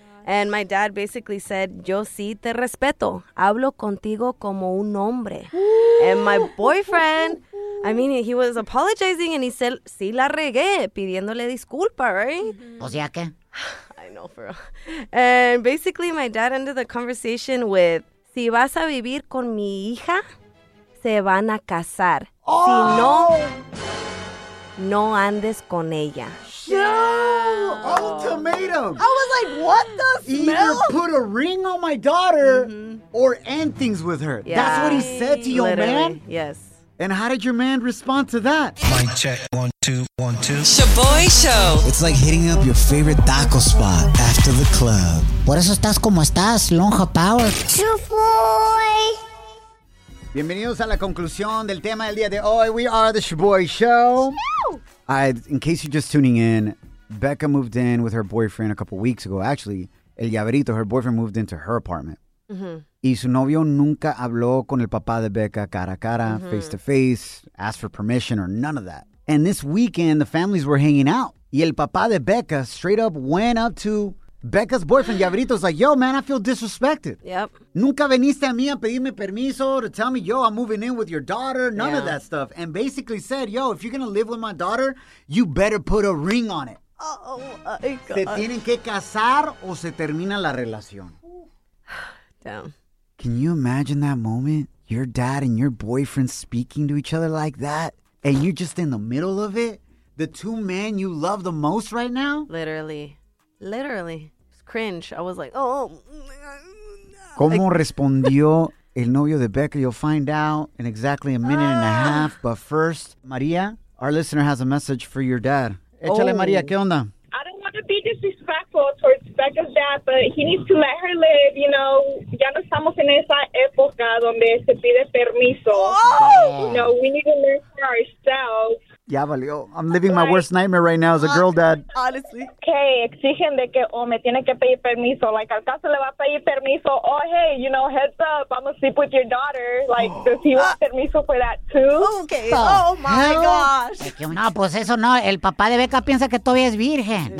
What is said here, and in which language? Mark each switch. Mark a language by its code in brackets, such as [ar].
[en] And my dad basically said, [es] yo sí te respeto. Hablo contigo como un hombre. [en] And my boyfriend, I mean, he was apologizing and he said, [es] sí la regué, pidiéndole disculpa, [en] right? [es] O sea que... [en] I know, for real. And basically, my dad ended the conversation with, [es] si vas a vivir con mi hija, se van a casar. Oh. Si no, no andes con ella. [en] Yeah. Oh. Ultimatum. I was like, what the smell? Either put a ring on my daughter or end things with her. Yeah. That's what he said to your man? Yes. And how did your man respond to that? Mic check. 1, 2, 1, 2. Shaboy Show. It's like hitting up your favorite taco spot after the club. [es] Por eso estás como estás, Lonja Power. Shaboy. Bienvenidos a la conclusión del tema del día de hoy. [en] We are the Shaboy Show. In case you're just tuning in, Becca moved in with her boyfriend a couple weeks ago. Actually, El Llaverito, her boyfriend, moved into her apartment. Mm-hmm. [es] Y su novio nunca habló con el papá de Becca cara a cara, [en] face to face, asked for permission or none of that. And this weekend, the families were hanging out. [es] Y el papá de [en] Becca straight up went up to Becca's boyfriend, Llaverito's like, yo, man, I feel disrespected. Yep. [es] Nunca veniste a mí a pedirme permiso [en] to tell me, yo, I'm moving in with your daughter, none of that stuff. And basically said, yo, if you're going to live with my daughter, you better put a ring on it. Oh, my God. [es] Se tienen que casar o se termina la relación. [en] Damn. Can you imagine that moment? Your dad and your boyfriend speaking to each other like that, and you're just in the middle of it? The two men you love the most right now? Literally. Literally. It's cringe. I was like, oh. [es] ¿Cómo respondió el novio de Becca? [en] You'll find out in exactly a minute and a half. But first, Maria, our listener has a message for your dad. [es] Échale, Maria. ¿Qué onda? [en] I don't want to be disrespectful towards Becca's dad, but he needs to let her live. You know, [es] ya no estamos en esa época donde se pide permiso. Oh! [en] You know, we need to learn for ourselves. [es] Ya valió. [en] I'm living my worst nightmare right now as a girl dad. Honestly. [es] Okay, exigen de que, me tiene que pedir permiso. Like, al caso le va a pedir permiso. [en] Oh, hey, you know, heads up. I'm gonna sleep with your daughter. Like, does he want permiso for that too? Okay. Oh, my gosh. [es] Es que, no, pues eso no. El papá de Becca piensa que todavía es virgen.